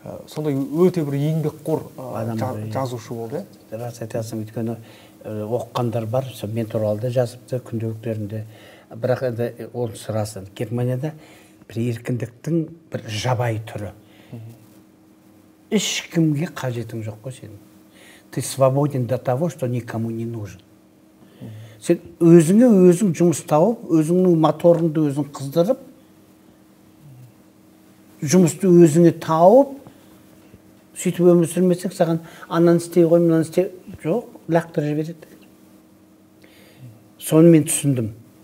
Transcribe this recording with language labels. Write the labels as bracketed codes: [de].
[kk] Сонда өте бір еңбекқор жазушы болды. Рас айтасың, өйткені оқығандар бар, мен туралы да жазыпты күнделіктерінде. Бірақ енді ол сұрасын, Германияда бір еркіндіктің бір жабай түрі. Ешкімге қажетің жоқ қой сенің. [ru] Ты свободен до того, что никому не нужен. [kk] Сен өзіңе өзің жұмыс тауып, өзіңнің моторыңды өзің қыздырып, жұмысты өзіңе тауып, сөйтіп өмір сүрмесек, саған ананы істей ғой, мынаны істей, жоқ, лақтырып жібереді. Соны мен түсіндім.